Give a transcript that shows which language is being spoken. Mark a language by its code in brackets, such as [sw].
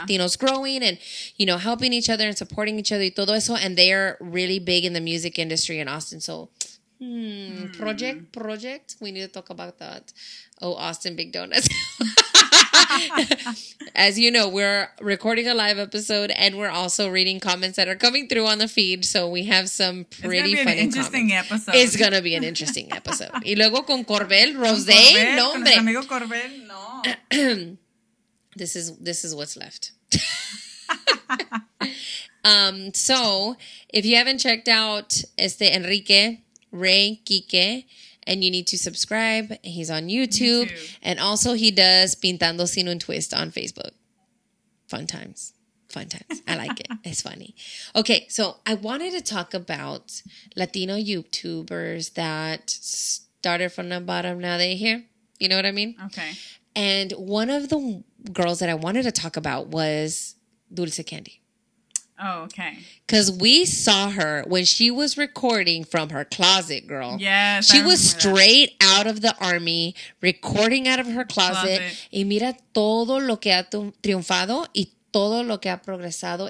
[en] Latinos growing and, you know, helping each other and supporting each other [es] y todo eso, [en] and they are really big in the music industry in Austin, so... Project. We need to talk about that. Oh, Austin Big Donuts. As you know, we're recording a live episode and we're also reading comments that are coming through on the feed. So we have some pretty funny comments. It's going to be an interesting episode. It's going to be an interesting episode. [es] Y luego con Corbel, Rosé, no hombre. Con amigo Corbel, no. [en] This is what's left. So if you haven't checked out Enrique... Ray Kike, and you need to subscribe. He's on YouTube. And also he does Pintando Sin Un Twist on Facebook. Fun times. I like it. It's funny. Okay, so I wanted to talk about Latino YouTubers that started from the bottom, now they're here. You know what I mean? Okay. And one of the girls that I wanted to talk about was Dulce Candy. Oh, okay. Because we saw her when she was recording from her closet, girl. Yes. She was straight out of the army, recording out of her closet. [es] Y mira todo lo que ha triunfado y todo lo que ha progresado.